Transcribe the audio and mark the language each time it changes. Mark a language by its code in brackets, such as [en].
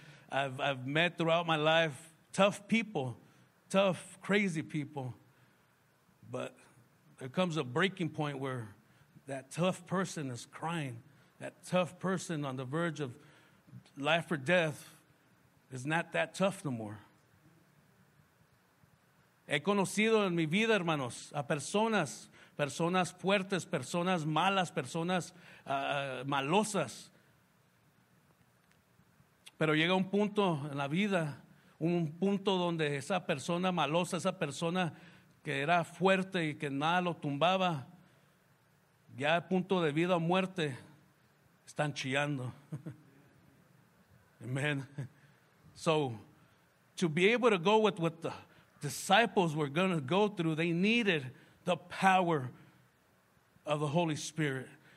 [en] I've met throughout my life tough people, tough, crazy people. But there comes a breaking point where that tough person is crying. That tough person on the verge of life or death is not that tough no more. [es] He conocido en mi vida, hermanos, a personas, personas fuertes, personas malas, personas malosas. Pero llega un punto en la vida, un punto donde esa persona malosa, esa persona que era fuerte y que nada lo tumbaba, ya a punto de vida o muerte, están chillando. Amen. [en] So, to be able to go with what the disciples were going to go through, they needed the power of the Holy Spirit.